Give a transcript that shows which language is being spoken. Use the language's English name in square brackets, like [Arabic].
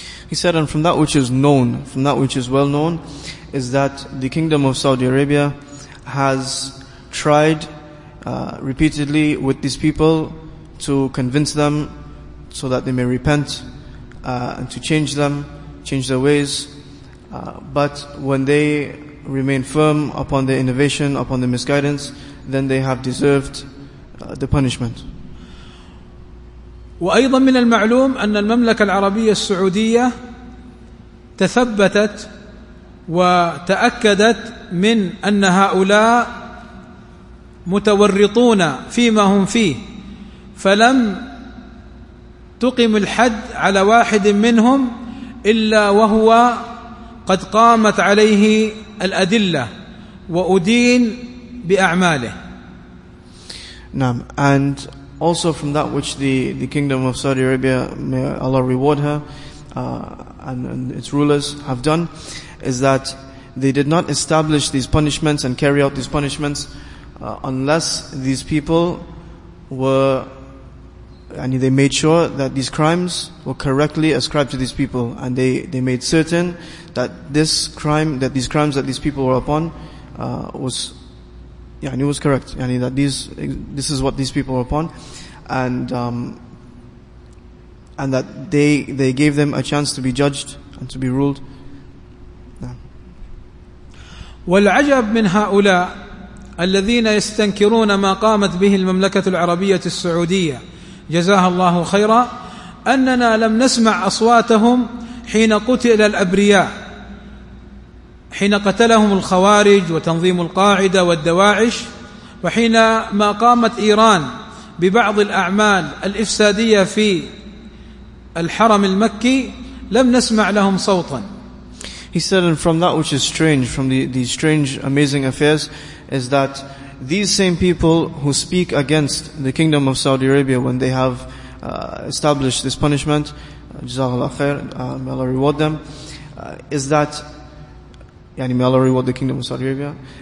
[English] He said, and from that which is well known is that the Kingdom of Saudi Arabia has tried repeatedly with these people to convince them so that they may repent and to change their ways. But when they remain firm upon their innovation, upon their misguidance, then they have deserved the punishment. [Arabic] وأيضا من المعلوم أن المملكة العربية السعودية تثبتت وتأكدت من أن هؤلاء متورطون فيما هم فيه، فلم تقيم الحد على واحد منهم إلا وهو قد قامت عليه الأدلة وأدين بأعماله. نعم. [English] And also from that which the Kingdom of Saudi Arabia, may Allah reward her and its rulers have done, is that they did not establish these punishments and carry out these punishments unless these people were, and they made sure that these crimes were correctly ascribed to these people, and they made certain that this crime, that these crimes that these people were upon, was, yeah, and it was correct. Yeah, and that this is what these people were upon, and that they gave them a chance to be judged and to be ruled. [Arabic] والعجب من هؤلاء الذين يستنكرون ما قامت به المملكة العربية السعودية جزاها الله خيرا أننا لم نسمع أصواتهم حين قتل الأبرياء، حين قتلهم الخوارج وتنظيم القاعدة والدواعش، وحين ما قامت إيران ببعض الأعمال الإفسادية في الحرم المكي لم نسمع لهم صوتا. [English] He said, and from that which is strange, from the strange amazing affairs, is that these same people who speak against the Kingdom of Saudi Arabia when they have established this punishment, jazakallah khair, may Allah reward them, is that, yani may Allah reward the Kingdom of Saudi Arabia.